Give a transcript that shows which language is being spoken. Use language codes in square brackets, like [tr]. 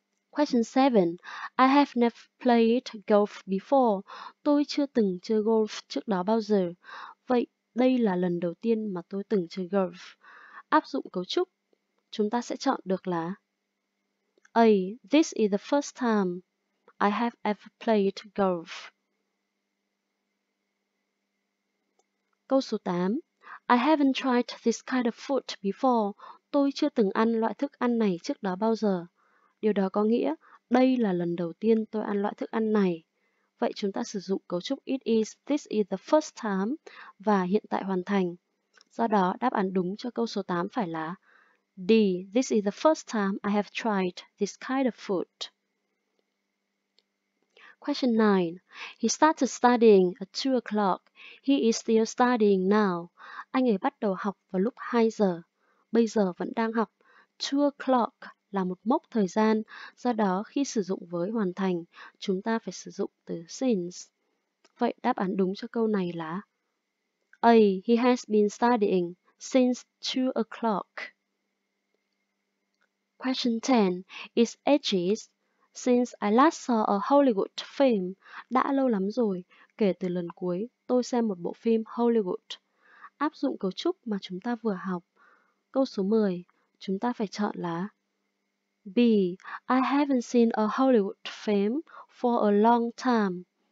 [en] Question 7. I have never played golf before. [vi] Tôi chưa từng chơi golf trước đó bao giờ. Vậy đây là lần đầu tiên mà tôi từng chơi golf. Áp dụng cấu trúc, chúng ta sẽ chọn được là A. [en] This is the first time I have ever played golf. [vi] Câu số 8. [en] I haven't tried this kind of food before. [vi] Tôi chưa từng ăn loại thức ăn này trước đó bao giờ. Điều đó có nghĩa, đây là lần đầu tiên tôi ăn loại thức ăn này. Vậy chúng ta sử dụng cấu trúc [en] it is, this is the first time [vi] và hiện tại hoàn thành. Do đó, đáp án đúng cho câu số 8 phải là D. [en] This is the first time I have tried this kind of food. Question 9. He started studying at 2 o'clock. He is still studying now. [vi] Anh ấy bắt đầu học vào lúc 2 giờ. Bây giờ vẫn đang học. 2 o'clock là một mốc thời gian, do đó khi sử dụng với hoàn thành, chúng ta phải sử dụng từ since. Vậy đáp án đúng cho câu này là A. [en] He has been studying since 2 o'clock. Question 10. It's ages since I last saw a Hollywood film. [vi] Đã lâu lắm rồi, kể từ lần cuối tôi xem một bộ phim Hollywood. Áp dụng cấu trúc mà chúng ta vừa học. Câu số 10, chúng ta phải chọn là B. [en] I haven't seen a Hollywood film for a long time.